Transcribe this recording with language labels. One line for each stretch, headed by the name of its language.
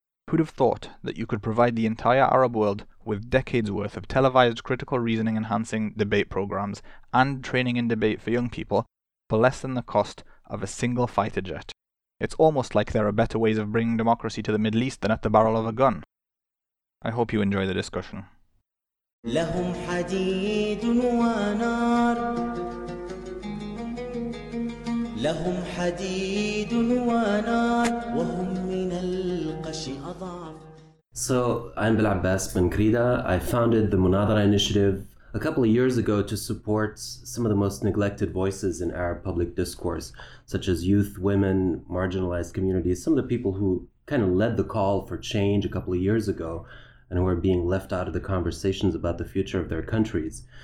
English: Who'd have thought that you could provide the entire Arab world with decades worth of televised critical reasoning enhancing debate programs and training in debate for young people for less than the cost of a single fighter jet? It's almost like there are better ways of bringing democracy to the Middle East than at the barrel of a gun. I hope you enjoy the discussion.
Arabic: لهم حديد ونار لهم حديد ونار وهم من القش أضعف.
English: So I'm Belabbes Benkrida. I founded the Munadhara Initiative a couple of years ago to support some of the most neglected voices in Arab public discourse, such as youth, women, marginalized communities, some of the people who kind of led the call for change a couple of years ago and who are being left out of the conversations about the future of their countries.